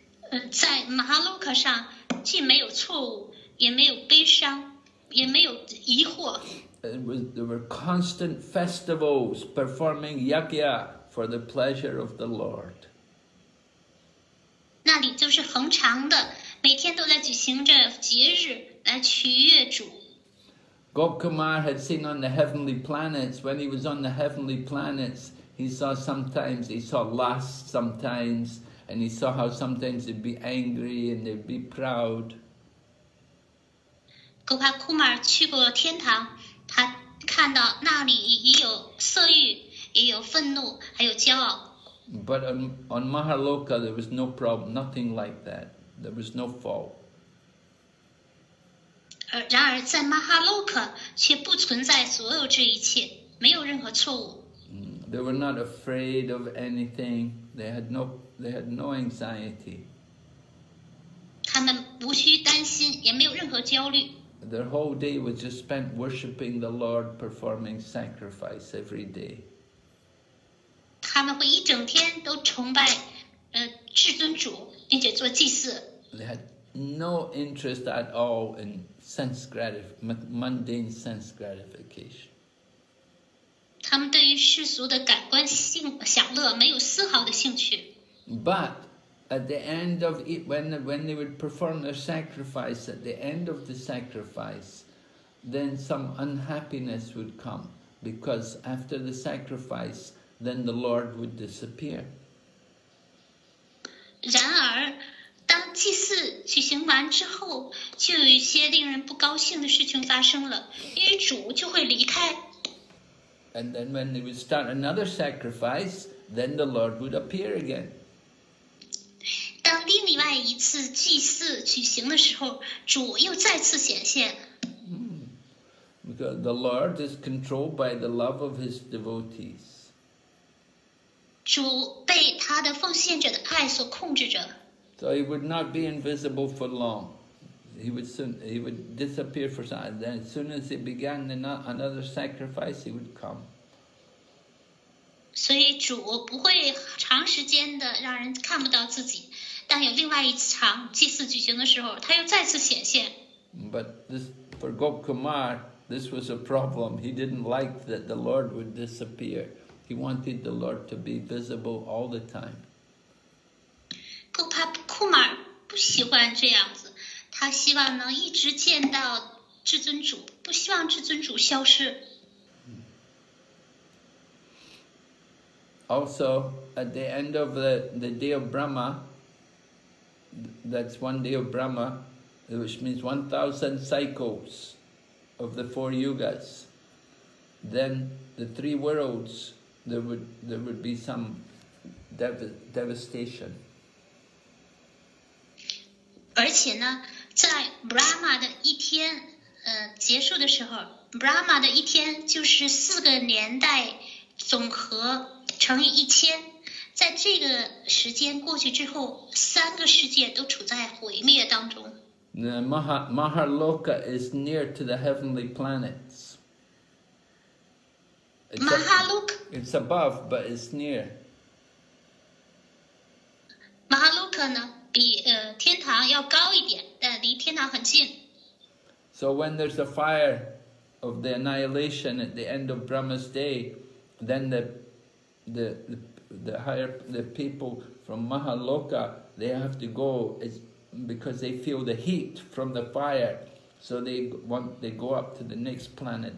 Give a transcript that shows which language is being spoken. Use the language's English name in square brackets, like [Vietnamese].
[Chinese] 在 Mahaloka 上，既没有错误，也没有悲伤，也没有疑惑。 [English] There were constant festivals performing yagya for the pleasure of the Lord. [Chinese] 那里就是恒常的，每天都在举行着节日。 [English] Gop Kumar had seen on the heavenly planets. When he was on the heavenly planets, he saw lust sometimes, and he saw how sometimes they'd be angry and they'd be proud. [Chinese] Gop Kumar 去过天堂，他看到那里也有色欲，也有愤怒，还有骄傲。 [English] But on Mahaloka, there was no problem, nothing like that. There was no fault. [Chinese] 然而在 Mahaloka 却不存在所有这一切，没有任何错误。 [English] They were not afraid of anything. They had no anxiety. [Chinese] 他们无需担心，也没有任何焦虑。 [English] Their whole day was just spent worshiping the Lord, performing sacrifice every day. [Chinese] 他们会一整天都崇拜，至尊主，并且做祭祀。 [English] They had no interest at all in. Mundane sense gratification. [Chinese] 他们对于世俗的感官性享乐没有丝毫的兴趣。 [English] But at the end of it, when they would perform their sacrifice, at the end of the sacrifice, then some unhappiness would come because after the sacrifice, then the Lord would disappear. [Chinese] 然而当祭祀举行完之后，就有一些令人不高兴的事情发生了，因为主就会离开。 [English] And then when they would start another sacrifice, then the Lord would appear again. [Chinese] 当另外一次祭祀举行的时候，主又再次显现。 [English] Because the Lord is controlled by the love of his devotees. [Chinese] 主被他的奉献者的爱所控制着。 [English] So he would not be invisible for long. He would disappear for some time. Then as soon as he began another sacrifice, he would come. So he [Chinese] 主不会长时间的让人看不到自己，但有另外一场祭祀举行的时候，他又再次显现。 [English] But this for Gop Kumar, this was a problem. He didn't like that the Lord would disappear. He wanted the Lord to be visible all the time. [Chinese] Kumar 不喜欢这样子，他希望能一直见到至尊主，不希望至尊主消失。 [English] Also, at the end of the day of Brahma, that's one day of Brahma, which means 1,000 cycles of the four yugas. Then the three worlds, there would be some devastation. [Chinese] 而且呢，在 Brahma 的一天，结束的时候 ，Brahma 的一天就是四个年代总和乘以一千，在这个时间过去之后，三个世界都处在毁灭当中。 [English] The Mahaloka is near to the heavenly planets. Mahaloka. It's above, but it's near. [Chinese] Mahaloka 呢？比天堂要高一点，但离天堂很近。 [English] So when there's a fire of the annihilation at the end of Brahma's day, then the higher people from Mahaloka they have to go because they feel the heat from the fire. So they go up to the next planet.